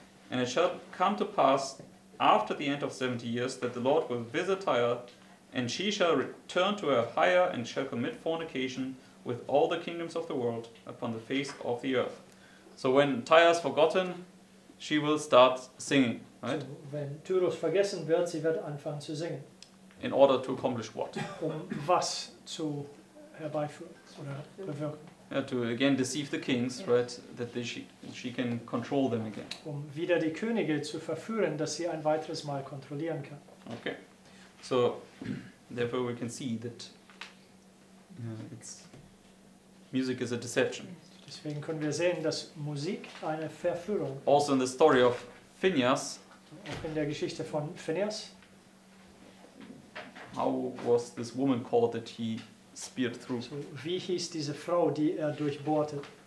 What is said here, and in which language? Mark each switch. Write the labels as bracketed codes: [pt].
[en] And it shall come to pass, after the end of 70 years, that the Lord will visit Tyre, and she shall return to her hire, and shall commit fornication with all the kingdoms of the world upon the face of the earth." So when Tyre is forgotten, she will start singing. Right? [de] So, wenn Tyros vergessen wird, sie wird anfangen zu singen. [en] In order to accomplish what? [de] Um was zu herbeiführen oder bewirken. [en] Yeah, to again deceive the kings, right? That she can control them again. [de] Um wieder die Könige zu verführen, dass sie ein weiteres Mal kontrollieren kann. [en] Okay. So, therefore we can see that music is a deception. [de] Deswegen können wir sehen, dass Musik eine Verführung ist. [en] Also in the story of Phineas. [de] Auch in der Geschichte von Phineas. [en] How was this woman called that he speared through? [de] So, wie hieß diese Frau, die er durchbohrte?